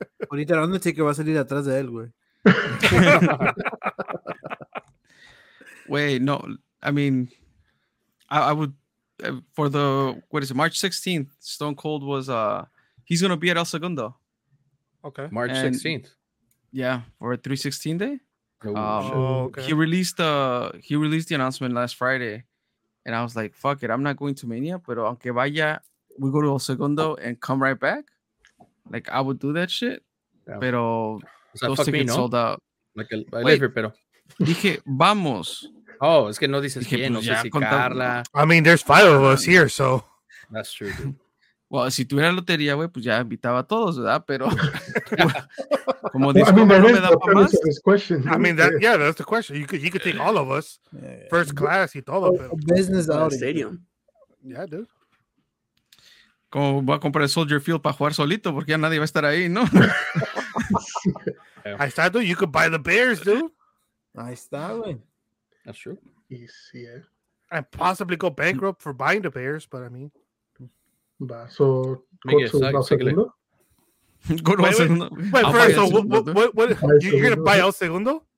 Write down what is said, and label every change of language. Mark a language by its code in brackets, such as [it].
[es] Ahorita el Undertaker va a salir atrás de él, güey. [en] Wait, no, I mean, I would for the what is it, March 16th? Stone Cold was he's gonna be at El Segundo, okay, March and, 16th, yeah, for a 316 day. Oh, okay. He released the announcement last Friday, and I was like, fuck it, I'm not going to Mania, but [es] aunque vaya, [en] we go to El Segundo and come right back, like, I would do that shit, yeah. [es] Pero. [en] Those tickets sold out. Like a wait, [es] dije, vamos. Oh, es que no dices quién. No sé si Carla. [en] I mean, there's five of us here, so. That's true, dude. [es] Well, si tuviera lotería, güey, pues ya invitaba a todos, ¿verdad? Pero. Como dice, [en] well, I mean, [es] no me da para más. Question, [en] I mean, that, yeah, that's the question. You could take all of us. Yeah. [es] First class y todo. [en] Business out of stadium. Yeah, dude. [es] Como va a comprar el Soldier Field para jugar solito, porque ya nadie va a estar ahí, ¿no? [en] I thought, dude, you could buy the Bears, dude. I thought, that's true. Yes, yeah. And possibly go bankrupt for buying the Bears, but I mean. Bah, so, go to El Segundo? Wait, first, so what you're going to buy El Segundo?